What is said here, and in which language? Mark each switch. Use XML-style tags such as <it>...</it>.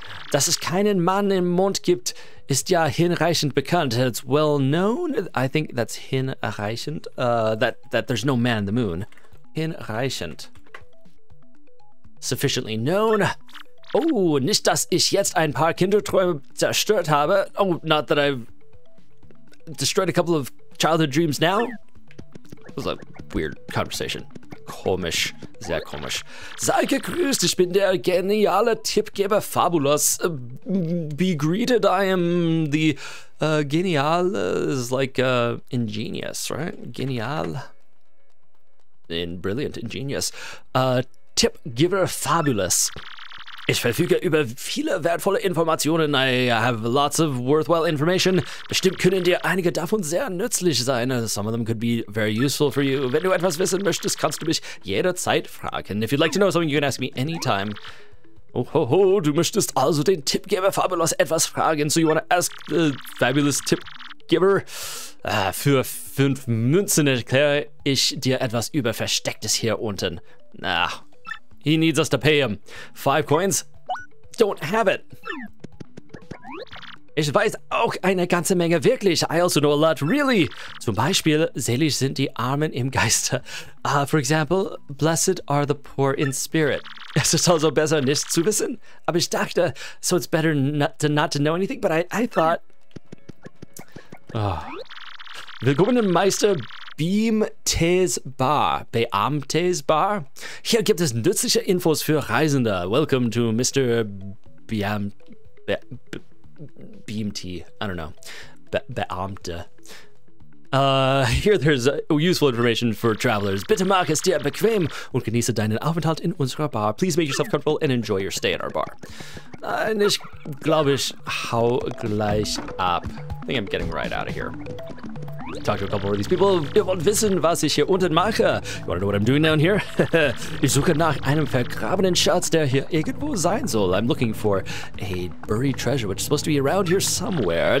<de>Dass es keinen Mann im Mond gibt, ist ja hinreichend bekannt.</de> <en>It's well known. I think that's hinreichend. That there's no man in the moon. Hinreichend. Sufficiently known.</en> <de>Oh, nicht, dass ich jetzt ein paar Kinderträume zerstört habe.</de> <en>Oh, not that I've destroyed a couple of childhood dreams now. It was a weird conversation.</en> <de>Komisch. Sehr komisch. Sei gegrüßt. Ich bin der geniale Tippgeber Fabulous.</de> <en>Be greeted. I am the genial is like ingenious, right? Genial. And brilliant. Ingenious.</en> <de>Tippgeber Fabulous. Ich verfüge über viele wertvolle Informationen.</de> <en>I have lots of worthwhile information.</en> <de>Bestimmt können dir einige davon sehr nützlich sein.</de> <en>Some of them could be very useful for you.</en> <de>Wenn du etwas wissen möchtest, kannst du mich jederzeit fragen.</de> <en>If you'd like to know something, you can ask me anytime.</en> <de>Oh, ho, ho, du möchtest also den Tippgeber Fabulous etwas fragen.</de> <en>So you want to ask the Fabulous Tippgeber?</en> <de>Für 5 Münzen erkläre ich dir etwas über Verstecktes hier unten.</de> <en>Ah. He needs us to pay him. 5 coins? Don't have it.</en> <de>Ich weiß auch eine ganze Menge wirklich.</de> <en>I also know a lot, really.</en> <de>Zum Beispiel, selig sind die Armen im Geiste.</de> <en>For example, blessed are the poor in spirit.</en> <de>Es ist also besser, nichts zu wissen. Aber ich dachte,</de> <en>so it's better not to know anything, but I thought...</en> <de>Oh. Willkommen im Meister... Beamtes Bar. Beamtes Bar? Hier gibt es nützliche Infos für Reisende.</de> <en>Welcome to Mr. Beamte. I don't know. Beamte. Here there's useful information for travelers.</en> <de>Bitte mach es dir bequem und genieße deinen Aufenthalt in unserer Bar.</de> <en>Please make yourself comfortable and enjoy your stay in our bar.</en> <de>Ich glaube, ich hau gleich ab.</de> <en>I think I'm getting right out of here. Talk to a couple of these people.</en> <de>Ihr wollt wissen, was ich hier unten mache.</de> <en>You wanna know what I'm doing down here?</en> <de>Ich suche nach einem vergrabenen Schatz, der hier irgendwo sein soll.</de> <en>I'm looking for a buried treasure, which is supposed to be around here somewhere.</en>